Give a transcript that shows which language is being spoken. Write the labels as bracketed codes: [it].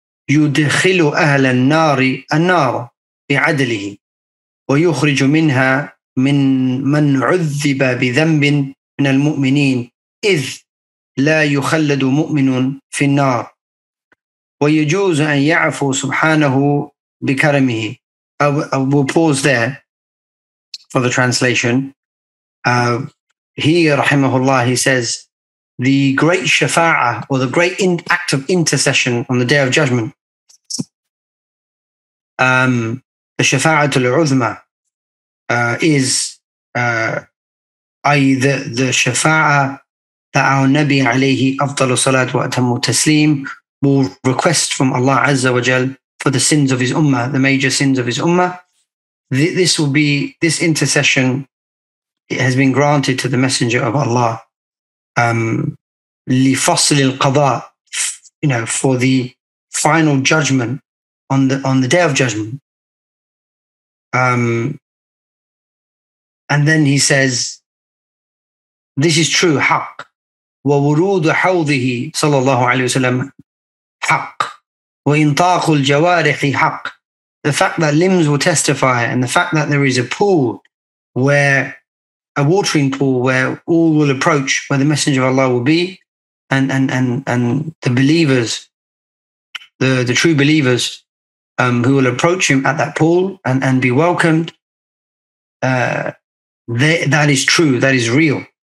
[ar] يدخل أهل النار النار بعدله ويخرج منها من عذب بذنب من المؤمنين إذ لا يخلد مؤمن في النار ويجوز أن يعفو سبحانه بكرمه. [en] We'll pause there for the translation. Here, rahimahullah, he says, the great shafa'ah, or the great act of intercession on the Day of Judgment, the shafa'at al-uzma, is the shafa'ah that our Nabi alayhi afdalu salat wa atamu taslim will request from Allah Azza wa Jal for the sins of his ummah, the major sins of his ummah. This intercession, it has been granted to the Messenger of Allah. [ar] لفصل القضاء, [en] you know, for the final judgment on the Day of Judgment. And then he says, this is true, [ar] حق. وورود حوضه صلى الله عليه وسلم حق. وانطاق الجوارح حق. [en] The fact that limbs will testify, and the fact that there is a pool where a watering pool where all will approach, where the Messenger of Allah will be, And the believers, the true believers, who will approach him at that pool and be welcomed, that is true, that is real.